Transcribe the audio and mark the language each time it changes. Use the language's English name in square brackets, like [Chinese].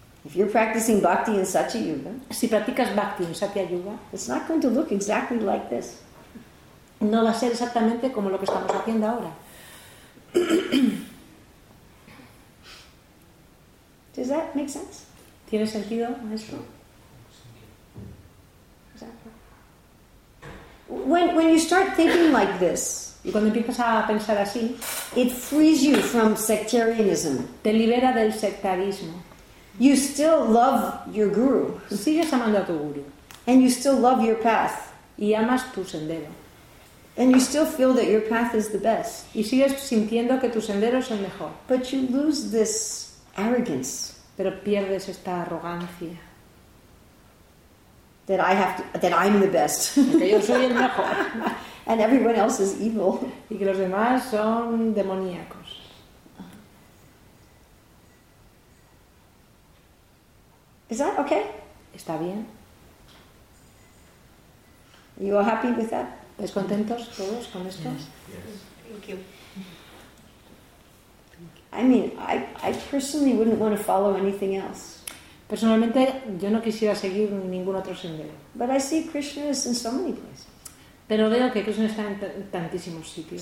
[English] If you're practicing bhakti in Satya Yuga, [Spanish] si practicas bhakti en Satya Yuga, [English] it's not going to look exactly like this. [Spanish] No va a ser exactamente como lo que estamos haciendo ahora. [English] Does that make sense? [Spanish] ¿Tiene sentido esto? [English] When you start thinking like this, [Spanish] y cuando empiezas a pensar así, [English] it frees you from sectarianism. [Spanish] Te libera del sectarismo. [English] You still love your guru. [Spanish] Sigues amando a tu guru. [English] And you still love your path. [Spanish] Y amas tu sendero. [English] And you still feel that your path is the best. [Spanish] Y sigues sintiendo que tu sendero es el mejor. [English] But you lose this arrogance. [Spanish] Pero pierdes esta arrogancia. [English] That I have to, that I'm the best. [Spanish] Que yo soy el mejor. [English] And everyone else is evil. [Spanish] Y que los demás son demoníacos. [English] Is that okay? [Spanish] ¿Está bien? [English] You are happy with that? [Spanish] ¿Estáis contentos todos con esto? [English] Yes. Thank you. I mean, I personally wouldn't want to follow anything else. [Spanish] Personalmente, yo no quisiera seguir ningún otro sendero. [English] But I see Krishna is in so many places. [Spanish] Pero veo que Krishna está en tantísimos sitios.